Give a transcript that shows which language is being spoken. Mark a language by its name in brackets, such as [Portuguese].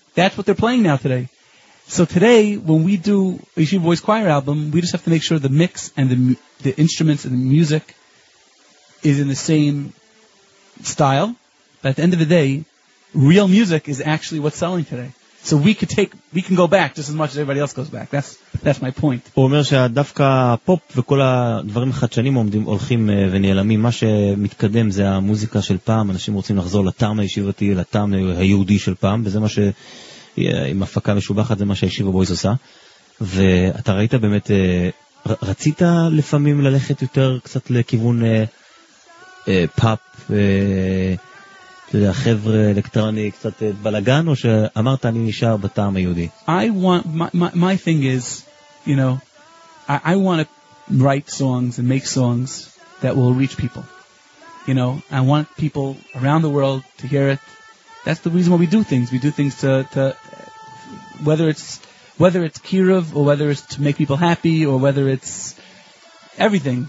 [English] That's what they're playing now today. So today, when we do a Yeshiva Boys Choir album, we just have to make sure the mix and the instruments and the music is in the same style. But at the end of the day, real music is actually what's selling today. So we can go back just as much as everybody else goes back. That's my point. [Hebrew] הוא אומר שדווקא הפופ וכל הדברים החדשנים הולכים ונעלמים. מה שמתקדם זה המוזיקה של פעם. אנשים רוצים לחזור לטעם הישיבתי, לטעם היהודי של פעם. וזה מה שעם הפקה משובחת, זה מה שהישיבה בויס עושה. ואתה ראית באמת, רצית לפעמים ללכת יותר קצת לכיוון פאפ... החבר'ה אלקטרני קצת בלגן, או שאמרת אני נשאר בטעם היהודי? [English] I want, my thing is, you know, I want to write songs and make songs that will reach people. You know, I want people around the world to hear it. That's the reason why we do things. We do things to whether it's Kirov, or whether it's to make people happy, or whether it's everything.